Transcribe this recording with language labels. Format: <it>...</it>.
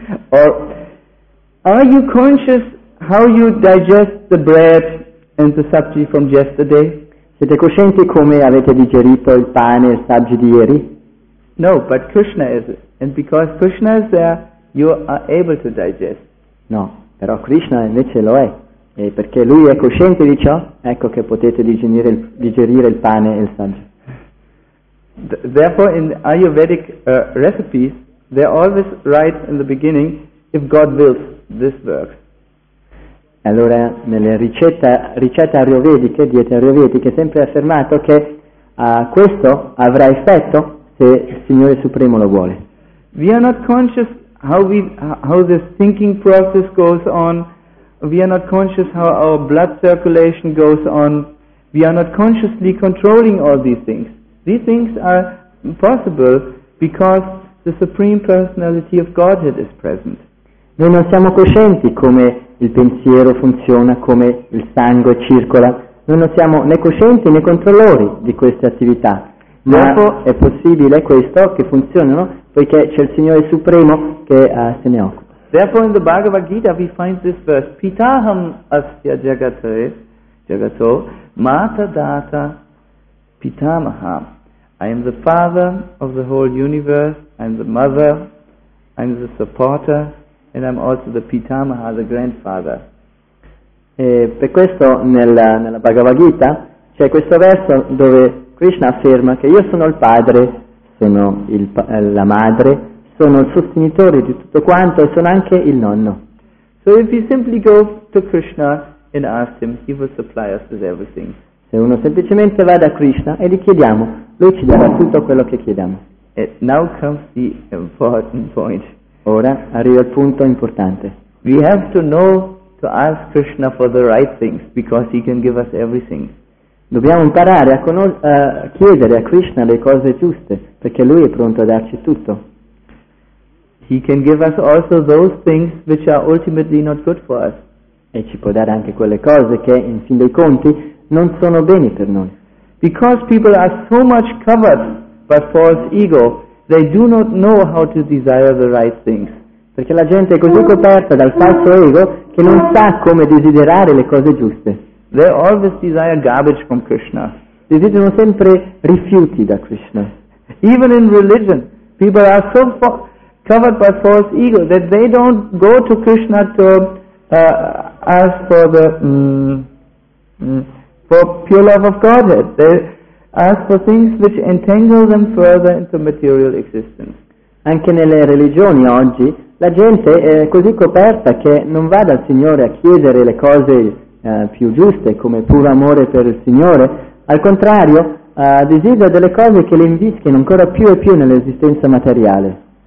<en>Or are you conscious how you digest the bread and the sabji from yesterday?</en> <it>Siete coscienti come avete digerito il pane e il sabji di ieri?</it> <en>No, but Krishna is. And because Krishna is there, you are able to digest.</en> <it>No, però Krishna invece lo è. E perché lui è cosciente di ciò, ecco che potete digerire il pane e il sangue.</it> <en>Therefore in Ayurvedic recipes, they always write in the beginning, if God wills, this works.</en> <it>Allora, nelle ricette ayurvediche, diete ayurvediche, è sempre affermato che questo avrà effetto se il Signore Supremo lo vuole.</it> <en>We are not conscious how this thinking process goes on. We are not conscious how our blood circulation goes on. We are not consciously controlling all these things. These things are possible because the Supreme Personality of Godhead is present.</en> <it>Noi non siamo coscienti come il pensiero funziona, come il sangue circola. Noi non siamo né coscienti né controllori di queste attività. Ma è possibile questo che funzionano poiché c'è il Signore Supremo che se ne occupa.</it> <en>Therefore in the Bhagavad Gita we find this verse,</en> <sa>Pitaham asya jagato, mata data pitamaha.</sa> <en>I am the father of the whole universe, I am the mother, I am the supporter, and I am also the Pitamaha, the grandfather.</en> <it>E per questo nella Bhagavad Gita c'è questo verso dove Krishna afferma che io sono il padre, sono la madre, sono il sostenitore di tutto quanto e sono anche il nonno.</it> <en>So if you simply go to Krishna and ask him, he will supply us with everything.</en> <it>Se uno semplicemente va da Krishna e gli chiediamo, lui ci darà tutto quello che chiediamo.</it> <en>And now comes the important point.</en> <it>Ora arriva il punto importante.</it> <en>We have to know to ask Krishna for the right things because he can give us everything.</en> <it>Dobbiamo imparare a chiedere a Krishna le cose giuste perché lui è pronto a darci tutto.</it> <en>He can give us also those things which are ultimately not good for us.</en> <it>E ci può dare anche quelle cose che in fin dei conti non sono bene per noi.</it> <en>Because people are so much covered by false ego, they do not know how to desire the right things.</en> <it>Perché la gente è così coperta dal falso ego che non sa come desiderare le cose giuste.</it> <en>They always desire garbage from Krishna.</en> <it>Desiderano sempre rifiuti da Krishna.</it> <en>Even in religion, people are so covered by false ego that they don't go to Krishna to ask for the for pure love of Godhead. They ask for things which entangle them further into material existence.</en> <it>Anche nelle religioni oggi la gente è così coperta che non va dal Signore a chiedere le cose più giuste come puro amore per il Signore, al contrario desidera delle cose che le invischiano ancora più e più nell'esistenza materiale.</it>